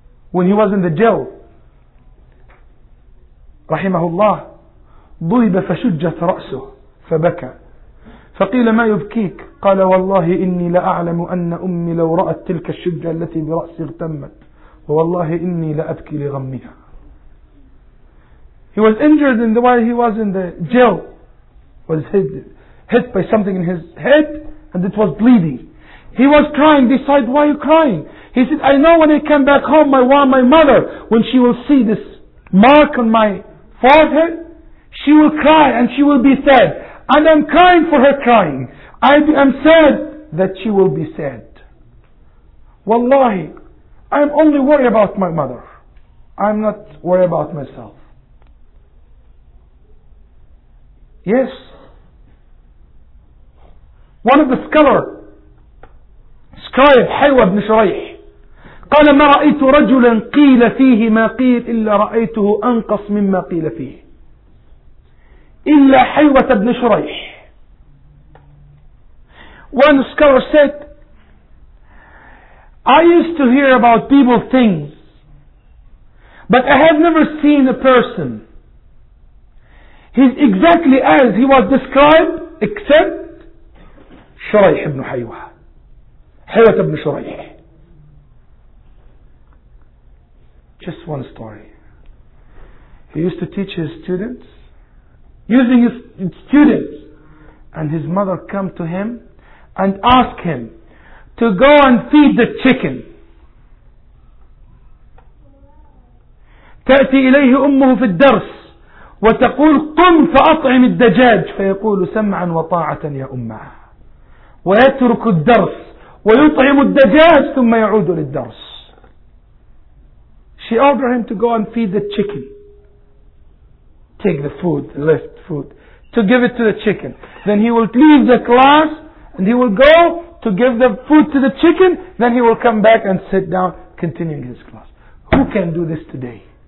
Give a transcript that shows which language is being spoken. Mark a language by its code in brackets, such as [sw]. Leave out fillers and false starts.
[en] When he was in the jail, [ar] rahimahullah, ضرب فشجت رأسه فبكى فقيل ما يبكيك قال والله إني لأعلم أن أمي لو رأت تلك الشجة التي برأسي اغتمت والله إني لأبكي لغمها. [en] He was injured in the while he was in the jail, was hit by something in his head and it was bleeding. He was crying. They said, why are you crying? He said, I know when I come back home, my mother, when she will see this mark on my forehead, she will cry and she will be sad. And I'm crying for her crying. I am sad that she will be sad. Wallahi, I'm only worried about my mother. I'm not worried about myself. Yes. One of the scholars, scribe Haywa ibn Shuraih, [ar] قال ما رأيت رجلا قيل فيه ما قيل إلا رأيته أنقص مما قيل فيه إلا حيوة بن شريح. [en] One scholar said, I used to hear about people things, but I have never seen a person he's exactly as he was described except شريح بن حيوة, حيوة بن شريح. Just one story. He used to teach his students, using his students, and his mother come to him and ask him to go and feed the chicken. [ar] تأتي إليه أمه في الدرس وتقول قم فأطعم الدجاج فيقول سمعا وطاعة يا أمه ويترك الدرس ويطعم الدجاج ثم يعود للدرس. [en] She ordered him to go and feed the chicken. Take the food, the left food, to give it to the chicken. Then he will leave the class and he will go to give the food to the chicken. Then he will come back and sit down, continuing his class. Who can do this today?